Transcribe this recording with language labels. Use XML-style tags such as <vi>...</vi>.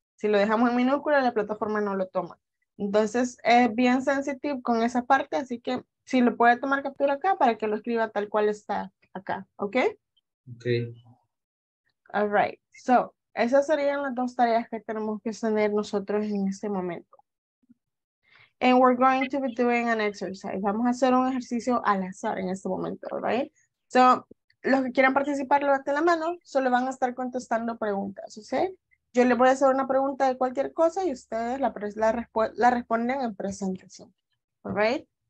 <es>Si lo dejamos en minúscula, la plataforma no lo toma. Entonces, es bien sensitive con esa parte, así que si lo puede tomar captura acá para que lo escriba tal cual está acá, ¿ok?</es> <en>Okay. All right.</en> <es>So, esas serían las dos tareas que tenemos que tener nosotros en este momento.</es> <en>And we're going to be doing an exercise.</en> <es>Vamos a hacer un ejercicio al azar en este momento, right? So, los que quieran participar, levanten la mano, solo van a estar contestando preguntas, ¿ok? Yo les voy a hacer una pregunta de cualquier cosa y ustedes la responden en presentación, all right?</es>